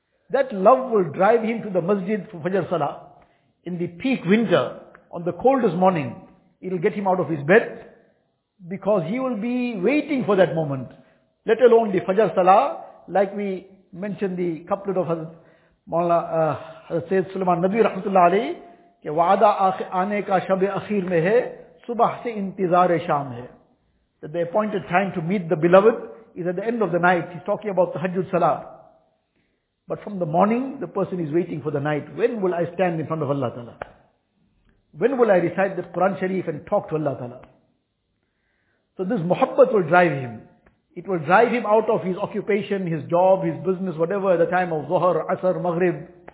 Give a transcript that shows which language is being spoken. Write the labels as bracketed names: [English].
[English] That love will drive him to the masjid for Fajr Salah. In the peak winter, on the coldest morning, it'll get him out of his bed, because he will be waiting for that moment, let alone the Fajr Salah, like we mentioned the couplet of Hazrat Maulana, [Urdu] حضرت سید سلمان ندوی رحمت اللہ علیہ کہ وعدہ آنے کا شب اخیر میں ہے, صبح سے انتظار شام ہے. [English] That the appointed time to meet the beloved is at the end of the night. He's talking about the Tahajjud Salah. But from the morning, the person is waiting for the night. When will I stand in front of Allah Ta'ala? When will I recite the Quran Sharif and talk to Allah Ta'ala? So this muhabbat will drive him. It will drive him out of his occupation, his job, his business, whatever, at the time of Zuhr, Asr, Maghrib.